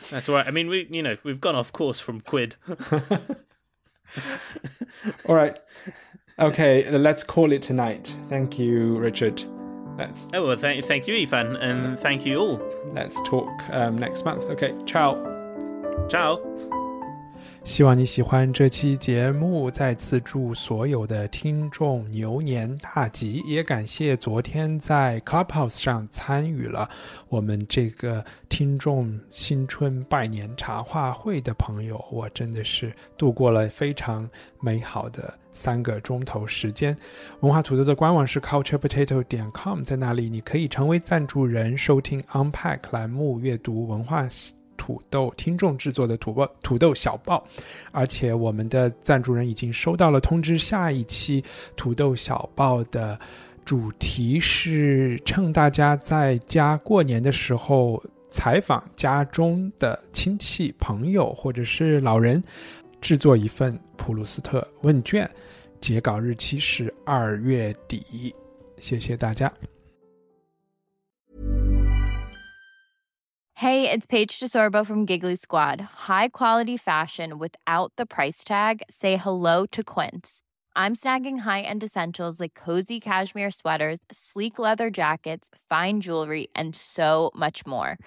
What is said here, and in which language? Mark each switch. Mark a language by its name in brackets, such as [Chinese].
[English] That's all right. I mean, we've gone off course from quid. All right. Okay, let's call it tonight. Thank you, Richard. Thank you, Ethan, and thank you all. Let's talk next month. Okay, ciao. Ciao. [Chinese] 希望你喜欢这期节目，再次祝所有的听众牛年大吉，也感谢昨天在 Clubhouse 上参与了我们这个听众新春拜年茶话会的朋友，我真的是度过了非常美好的三个钟头时间。文化土豆的官网是 culturepotato.com， 在那里你可以成为赞助人，收听 Unpack 栏目，阅读文化土豆听众制作的土豆小报。而且我们的赞助人已经收到了通知，下一期土豆小报的主题是趁大家在家过年的时候采访家中的亲戚朋友或者是老人，制作一份普鲁斯特问卷，截稿日期是2月底。谢谢大家。 [English] Hey, it's Paige DeSorbo from Giggly Squad. High quality fashion without the price tag. Say hello to Quince. I'm snagging high-end essentials like cozy cashmere sweaters, sleek leather jackets, fine jewelry, and so much more.